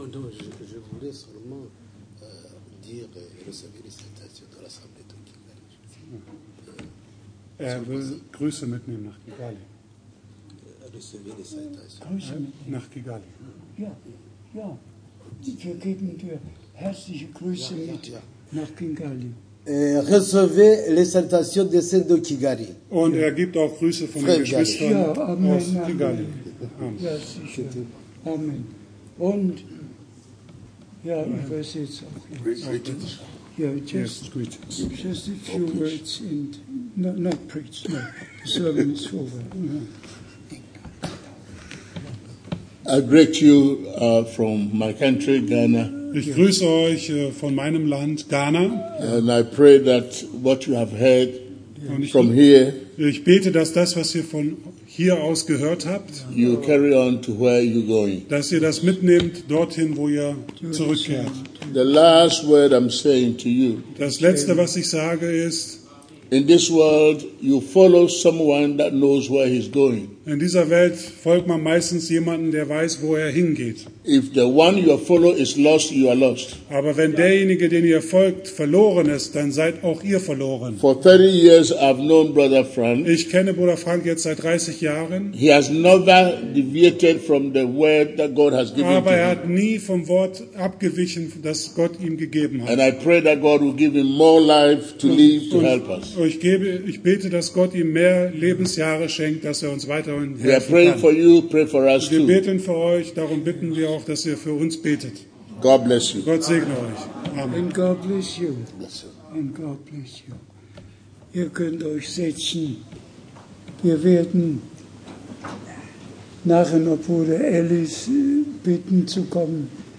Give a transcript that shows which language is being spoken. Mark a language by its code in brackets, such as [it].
[fr] Je voulais seulement dire et recevoir les salutations de l'assemblée de Kigali. [de] Er will Grüße mitnehmen nach Kigali. [fr] Recevoir les salutations. [de] Grüße mitnehmen nach Kigali. Ja. Wir geben dir herzliche Grüße mit nach Kigali. [fr] Recevez les salutations des saints de Kigali. [de] Und er gibt auch Grüße von den Geschwistern aus Kigali. Ja, sicher. Amen. Und, ja, ich weiß jetzt auch. [en] Just a few words and not preach, no. The sermon is over. I greet you from my country, Ghana. [de] Ich grüße euch von meinem Land, Ghana. [en] And I pray that what you have heard from here. [de] Ich bete, dass das, was ihr von hier aus gehört habt, [en] you carry on to where you're going. [de] Dass ihr das mitnehmt dorthin, wo ihr zurückkehrt. [en] The last word I'm saying to you. [de] Das letzte, was ich sage, ist. [en] In this world, you follow someone that knows where he's going. [de] In dieser Welt folgt man meistens jemanden, der weiß, wo er hingeht. [en] If the one you follow is lost, you are lost. [de] Aber wenn derjenige, den ihr folgt, verloren ist, dann seid auch ihr verloren. [en] For 30 years, I've known Brother Frank. [de] Ich kenne Bruder Frank jetzt seit 30 Jahren. [en] He has never deviated from the word that God has given [de] Aber [en] to [de] er hat [en] him. [de] Nie vom Wort abgewichen, das Gott ihm gegeben hat. [en] And I pray that God will give him more life to live to help us. [de] Ich bete, dass Gott ihm mehr Lebensjahre schenkt, dass er uns weiter [en] We are praying for you, pray for us too. [de] Wir beten für euch, darum bitten wir auch, dass ihr für uns betet. [en] God bless you. [de] Gott segne euch. Amen. [en] And God bless you. And God bless you. [de] Ihr könnt euch setzen. Wir werden nachher noch Bruder Ellis bitten zu kommen.